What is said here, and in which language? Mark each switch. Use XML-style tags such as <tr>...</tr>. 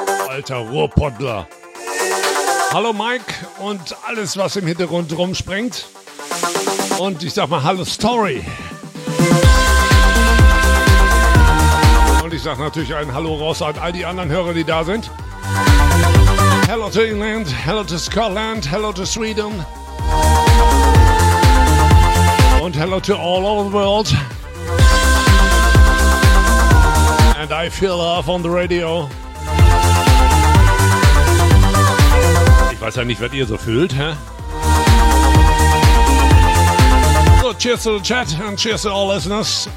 <de>Alter Ruhrpottler. Hallo Mike und alles, was im Hintergrund rumspringt. Und ich sag mal, hallo Story. Und ich sag natürlich ein Hallo raus an all die anderen Hörer, die da sind.</de> <en>Hello to England, hello to Scotland, hello to Sweden. And hello to all over the world. And I feel love on the radio.</en> <de>Ich weiß ja nicht, was ihr so fühlt, hä?</de> <en>So, cheers to the chat and cheers to all listeners.</en>